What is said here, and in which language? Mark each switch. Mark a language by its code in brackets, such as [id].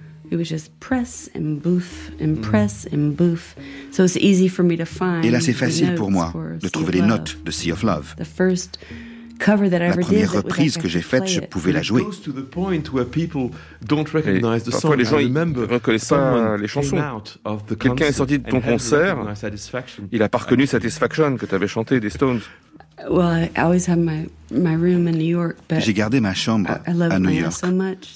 [en] It was just press and booth and press and booth. So it's easy for me to find. [fr] Et là, c'est facile pour moi de trouver les notes de Sea of Love. [en] The first cover that I ever did. [fr] La première reprise que j'ai faite, je pouvais la jouer. [en] Close to the point where people don't recognize the song. [fr] Parfois, les gens ne reconnaissent pas les chansons. Quelqu'un est sorti de ton concert. Il a pas reconnu Satisfaction que tu avais chanté des Stones. [en] Well, I always have my room in New York, but [fr] j'ai gardé ma chambre à New York, [en] so much.